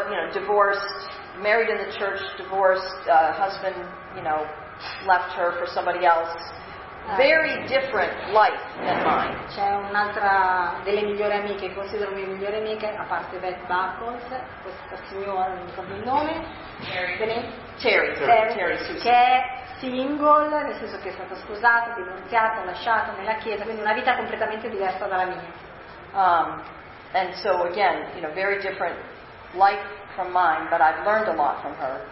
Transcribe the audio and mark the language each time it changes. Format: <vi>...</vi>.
<en>Divorced, married in the church, divorced, husband, left her for somebody else. Very different life than mine.</en> <it>C'è un'altra delle migliori amiche, considero mie migliori amiche, a parte Beth Buchholz, questa signora, non ricordo il nome. Terry. Che è single, nel senso che è stata sposata, divorziata, lasciata nella chiesa, quindi una vita completamente diversa dalla mia.</it> <en>And so again, very different life from mine, but I've learned a lot from her.</en>